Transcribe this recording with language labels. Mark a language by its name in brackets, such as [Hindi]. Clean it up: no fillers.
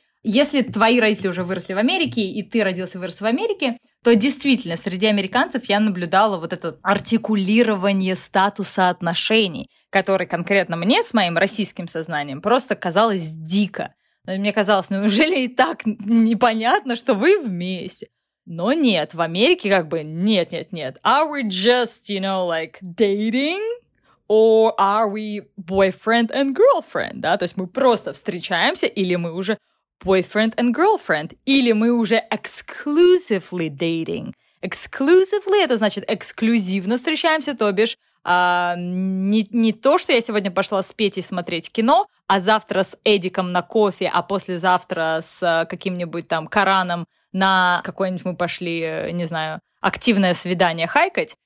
[Russian] Если твои родители уже выросли в Америке, и ты родился и вырос в Америке, то действительно, среди американцев я наблюдала вот это артикулирование статуса отношений, который конкретно мне с моим российским сознанием просто казалось дико. Мне казалось, неужели и так непонятно, что вы вместе? Но нет, в Америке как бы нет-нет-нет. [English] Are we just, you know, like, dating? Or are we boyfriend and girlfriend? [Russian] Да, то есть мы просто встречаемся, или мы уже [English] boyfriend and girlfriend? [Russian] Или мы уже [English] exclusively dating? [Russian] Exclusively — это значит эксклюзивно встречаемся, то бишь... Не то, что я сегодня пошла с Петей смотреть кино, а завтра с Эдиком на кофе, а послезавтра с каким-нибудь там Караном на какое-нибудь мы пошли, не знаю, активное свидание хайкать.